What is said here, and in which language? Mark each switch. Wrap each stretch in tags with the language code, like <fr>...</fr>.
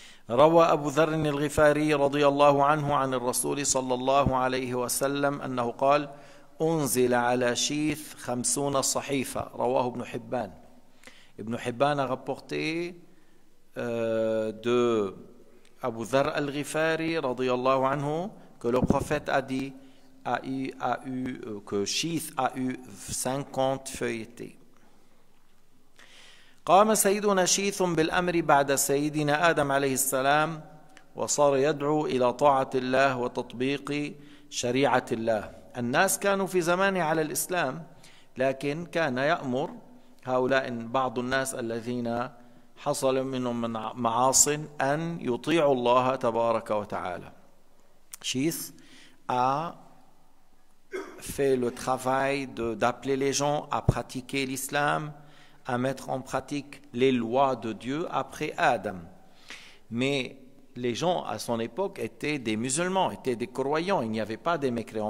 <ar>روى أبو ذر الغفاري رضي الله عنه عن الرسول صلى الله عليه وسلم أنه قال أنزل على شيث 50 صحيفة رواه ابن حبان.</ar> <fr>ابن حبان a rapporté de أبو ذر الغفاري</fr> <ar>رضي الله عنه</ar> <fr>que le prophète a dit a eu que شيث a eu 50 feuilletés.</fr> <ar>قام سيدنا شيث بالأمر بعد سيدنا آدم عليه السلام وصار يدعو إلى طاعة الله وتطبيق شريعة الله. الناس كانوا في زمانه على الإسلام لكن كان يأمر هؤلاء بعض الناس الذين حصل منهم من معاص أن يطيعوا الله تبارك وتعالى.</ar> <fr>شيث a fait le travail d'appeler les gens à pratiquer l'islam, à mettre en pratique les lois de Dieu après Adam. Mais les gens à son époque étaient des musulmans, étaient des croyants, il n'y avait pas des mécréants.</fr>